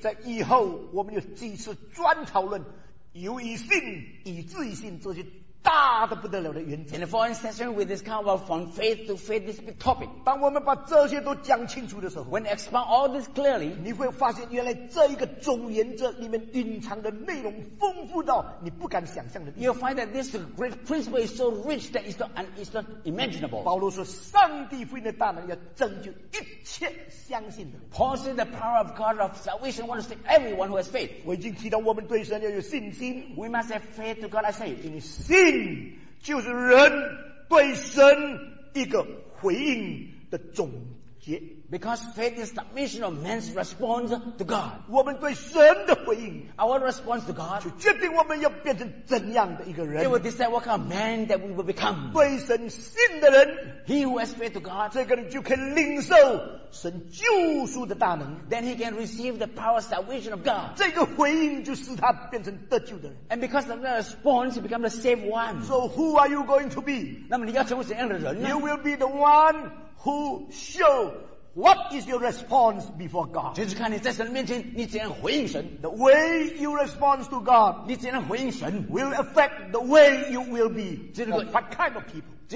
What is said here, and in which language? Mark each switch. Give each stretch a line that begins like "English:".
Chinese: 在以后我们有几次专讨论由于信以至于信这些大的不得了的原则。
English: In the following session, we discuss about from faith to faith this big topic.
Chinese: 当我们把这些都讲清楚的时候
English: ，When expound all this clearly,
Chinese: 你会发现原来这一个总原则里面隐藏的内容丰富到你不敢想象的地方。
English: You'll find that this great principle is so rich that it's not imaginable.
Chinese: 保罗说，上帝福音的大能要拯救一切相信的人。
English: Paul said the power of God of salvation wants to save everyone who has faith.
Chinese: 我已经提到我们对神要有信心。
English: We must have faith to God. I say,
Chinese: 因为信。信就是人对神一个回应的总结。
English: Because faith is the mission of man's response to God.
Chinese: 我们对神的回应
English: ，our response to God，
Chinese: 就决定我们要变成怎样的一个人。
English: It will decide what kind of man that we will become.
Chinese: 对神信的人
English: ，he who has faith to God，
Chinese: 这个人就可以领受神救赎的大能。
English: Then he can receive the power of salvation of God.
Chinese: 这个回应就使他变成得救的人。
English: And because of that response, he becomes the saved one. So who are you going to be?
Chinese: 那么你要成为怎样的人呢
English: ？You will be the one who show. What is your response before God?
Chinese: 就是看你在神面前你怎样回应神。
English: The way you respond to God,
Chinese: 你怎样回应神
English: will affect the way you will be. What kind of people?